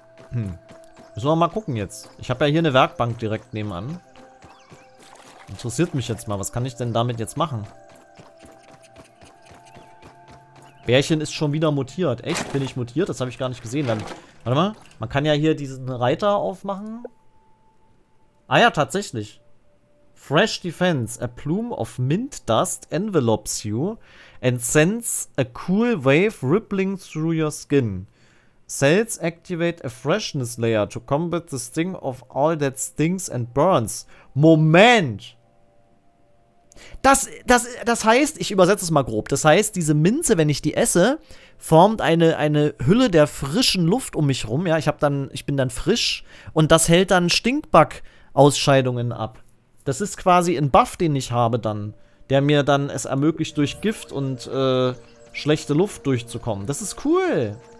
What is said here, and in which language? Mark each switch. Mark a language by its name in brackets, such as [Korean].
[German] Müssen wir mal gucken jetzt. Ich habe ja hier eine Werkbank direkt nebenan. Interessiert mich jetzt mal. Was kann ich denn damit jetzt machen? Bärchen ist schon wieder mutiert. Echt? Bin ich mutiert? Das habe ich gar nicht gesehen. Dann, warte mal. Man kann ja hier diesen Reiter aufmachen. Ah ja, tatsächlich. Fresh Defense. [English] A plume of mint dust envelops you and sends a cool wave rippling through your skin. Cells activate a freshness layer to combat the sting of all that stings and burns. [German] Moment! Das heißt, ich übersetze es mal grob, das heißt, diese Minze, wenn ich die esse, formt eine Hülle der frischen Luft um mich rum. Ja, ich bin dann frisch und das hält dann Stinkbug-Ausscheidungen ab. Das ist quasi ein Buff, den ich habe dann, der mir dann es ermöglicht, durch Gift und schlechte Luft durchzukommen. Das ist cool!